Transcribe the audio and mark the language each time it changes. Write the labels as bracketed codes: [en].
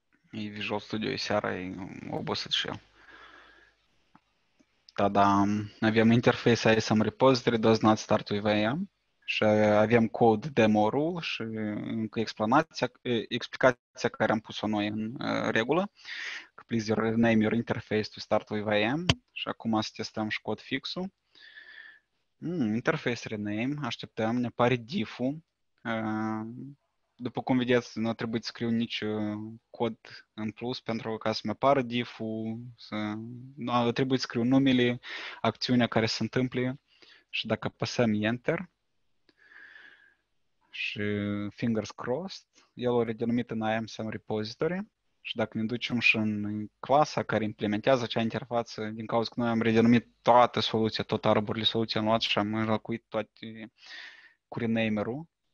[ro] E Visual Studio, e seara, e obosit și eu. Da, avem interface ASM repository, [en] does not start with AM. [ro] Și avem code demo rule și încă explicația care am pus-o noi în regulă. [en] Please rename your interface to start with AM. [ro] Și acum să testăm și code fix-ul. Interface rename, așteptăm, ne apare diff-ul. După cum vedeți, nu a trebuit să scriu nici cod în plus pentru ca să-mi apară diff-ul. Nu a trebuit să scriu numele, acțiunea care se întâmplă și dacă apăsăm Enter și [en] fingers crossed, [ro] el o redenumit în IAMSM repository și dacă ne ducem și în clasa care implementează acea interfață, din cauza că noi am redenumit toată soluția, tot arborile soluției am luat și am înlocuit toate cu renamer-ul.